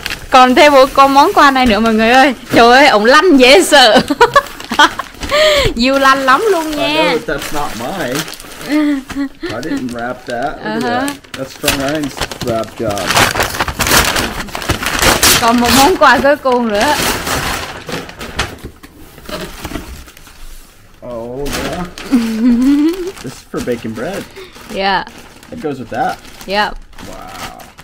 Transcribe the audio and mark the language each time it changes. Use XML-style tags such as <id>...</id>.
<vi>Còn thêm một con món quà này nữa mọi người ơi. Trời ơi, ổng lanh dễ sợ. You lanh lắm luôn nha.</vi> <en>I know that's not mine. I didn't wrap that. That's from Ryan's wrap job.</en> <vi>Còn một món quà cuối cùng nữa.</vi> <en>Oh yeah. This is for baking bread. Yeah. It goes with that. Yeah. Wow.</en>